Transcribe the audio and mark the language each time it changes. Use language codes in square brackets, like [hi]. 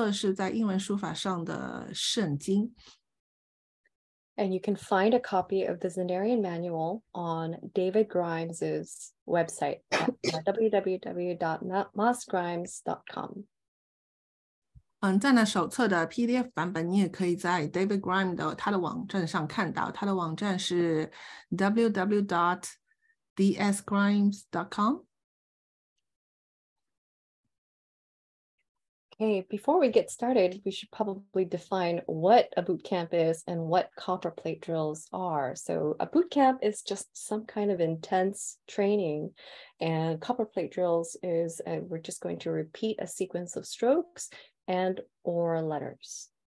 [zh] 对于后来的学习呢，有一些资料也是参考资料是非常重要的。对他来说，在那手册是在英文书法上的圣经。 [en] And you can find a copy of the Zenarian Manual on David Grimes' website at www.mossgrimes.com. [zh] 在那手册的PDF版本，你也可以在David Grimes的他的网站上看到。他的网站是 www.dsgrimes.com. [en] Hey, before we get started, we should probably define what a boot camp is and what copperplate drills are. So a boot camp is just some kind of intense training, and copperplate drills is we're just going to repeat a sequence of strokes and or letters.